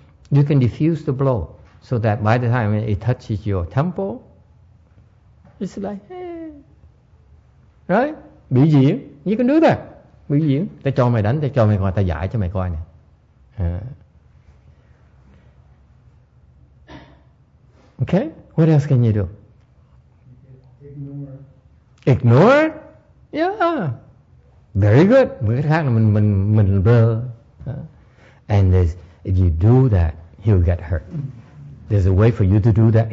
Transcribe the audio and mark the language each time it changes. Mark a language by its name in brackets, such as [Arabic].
[English] You can diffuse the blow so that by the time it touches your temple, it's like, hey. Right? [Vietnamese] Biểu diễn. [English] You can do that. Biểu diễn. [Vietnamese] Ta cho mày đánh, ta cho mày coi, ta giải cho mày coi nè. [English] Okay? What else can you do? Ignore. Ignore? Yeah. Very good. [Vietnamese] Một cái khác là mình blur. [English] And this, if you do that, he'll get hurt. There's a way for you to do that.